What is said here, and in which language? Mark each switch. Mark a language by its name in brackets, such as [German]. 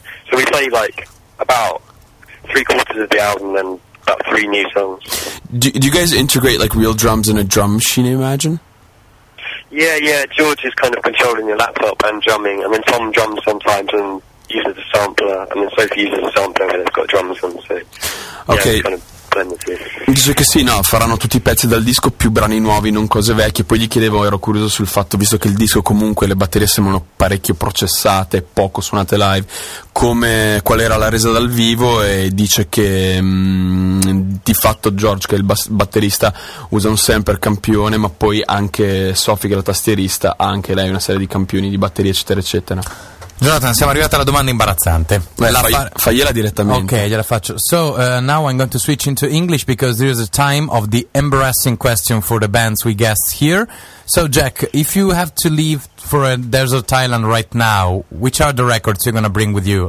[English] So we play like about three quarters of the album and about three new songs. Do you guys integrate like real drums in a drum machine, I imagine? Yeah. George is kind of controlling your laptop and drumming, and then Tom drums sometimes and uses a sampler, and then Sophie uses a sampler and it's got drums on, so okay. Yeah, kind of. [Italian] Dice che sì, no, faranno tutti i pezzi dal disco più brani nuovi, non cose vecchie. Poi gli chiedevo, ero curioso sul fatto, visto che il disco comunque le batterie sembrano parecchio processate, poco suonate live, come, qual era la resa dal vivo, e dice che di fatto George, che è il batterista, usa un sampler campione, ma poi anche Sophie, che è la tastierista, ha anche lei una serie di campioni di batterie eccetera eccetera. Jonathan, siamo arrivati alla domanda imbarazzante. Fagliela direttamente. Ok, gliela faccio. [English] So, now I'm going to switch into English because there is a time of the embarrassing question for the bands we guest here. So, Jack, if you have to leave for a desert island right now, which are the records you're going to bring with you?